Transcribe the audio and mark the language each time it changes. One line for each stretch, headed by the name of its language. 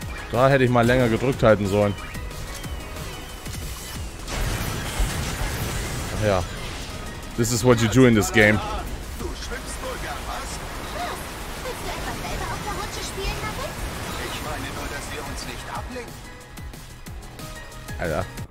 German: Da hätte ich mal länger gedrückt halten sollen.
English: Ja, this is what you do in this game.
German: Du schwimmst wohl gar was? Willst du etwa selber auf der Rutsche spielen, Harry? Ich meine nur, dass wir uns nicht ablenken. Alter.